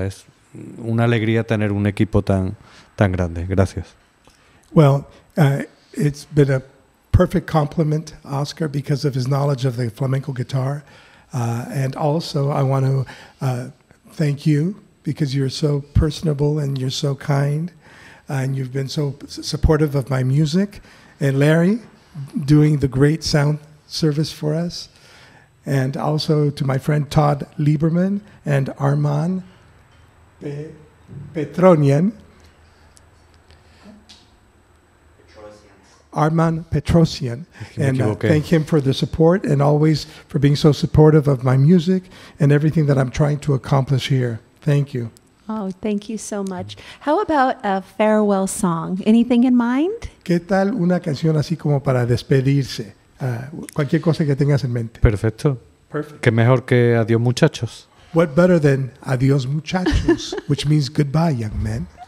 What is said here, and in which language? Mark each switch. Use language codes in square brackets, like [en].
[es] Es una alegría tener un equipo tan grande. Gracias. [en] Well, it's been a perfect compliment, Oscar, because of his knowledge of the flamenco guitar. And also, I want to thank you, because you're so personable and you're so kind, and you've been so supportive of my music. And Larry, doing the great sound service for us. And also to my friend Todd Lieberman and Armand Petronian. Armand Petrosian. And thank him for the support and always for being so supportive of my music and everything that I'm trying to accomplish here. Thank you. Oh, thank you so much. How about a farewell song? Anything in mind? [es] ¿Qué tal una canción así como para despedirse? Cualquier cosa que tengas en mente. Perfecto. [en] Perfect. [es] ¿Qué mejor que adiós muchachos? [en] What better than adiós muchachos, which means goodbye, young man.